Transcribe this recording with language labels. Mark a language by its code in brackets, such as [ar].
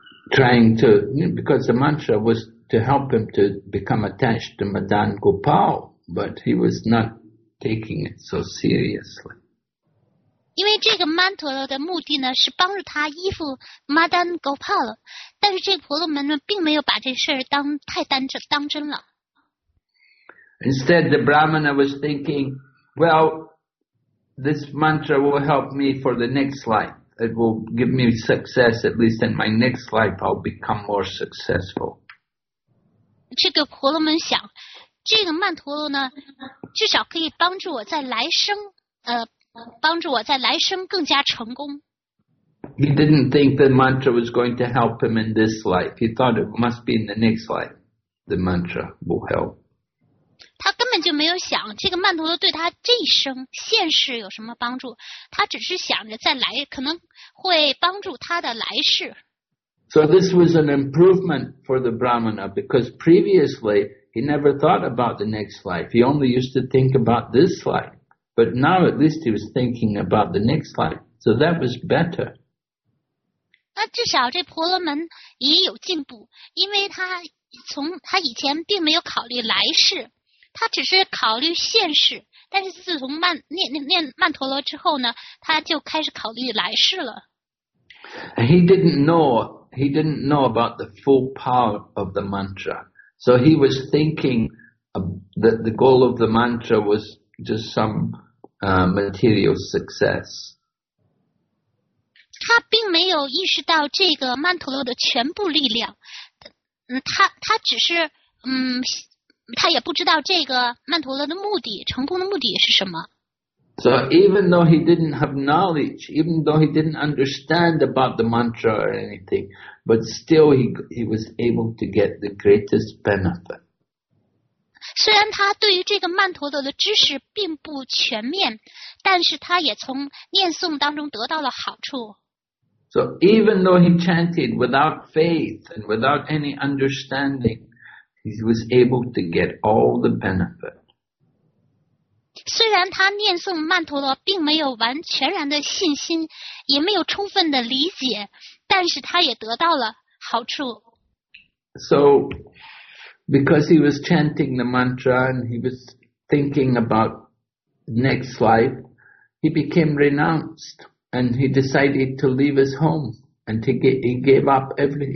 [en] Trying to, because the mantra was to help him to become attached to Madan Gopal, but he was not taking it so seriously. [zh] 因为这个曼陀罗的目的呢是帮助他依附玛丹戈帕了，但是这个婆罗门呢并没有把这事儿当真了。 [en] Instead, the brahmana was thinking, well, this mantra will help me for the next life. It will give me success, at least in my next life, I'll become more successful. [zh] 这个婆罗门想，这个曼陀罗呢至少可以帮助我在来生帮助我在来生更加成功。 [en] He didn't think the mantra was going to help him in this life. He thought it must be in the next life the mantra will help. [zh] 他根本就没有想这个曼陀罗对他这一生现世有什么帮助，他只是想着再来可能会帮助他的来世。 [en] So this was an improvement for the Brahmana, because previously he never thought about the next life. He only used to think about this life. But now at least he was thinking about the next life. So that was better. [zh] 那至少这婆罗门也有进步，因为他以前并没有考虑来世，他只是考虑现世，但是自从念曼陀罗之后呢，他就开始考虑来世了。 [en] He didn't know about the full power of the mantra. So he was thinking that the goal of the mantra was just some material success. [zh] 他并没有意识到这个曼陀罗的全部力量。他只是他也不知道这个曼陀罗的目的，成功的目的是什么。 [en] So even though he didn't have knowledge, even though he didn't understand about the mantra or anything, but still he was able to get the greatest benefit. [zh] 虽然他对于这个曼陀罗的知识并不全面，但是他也从念诵当中得到了好处。 [en] So even though he chanted without faith and without any understanding, he was able to get all the benefit. [zh] 虽然他念诵曼陀罗并没有完全然的信心，也没有充分的理解，但是他也得到了好处。 [en] So because he was chanting the mantra and he was thinking about next life, he became renounced. And he decided to leave his home, and he gave up everything.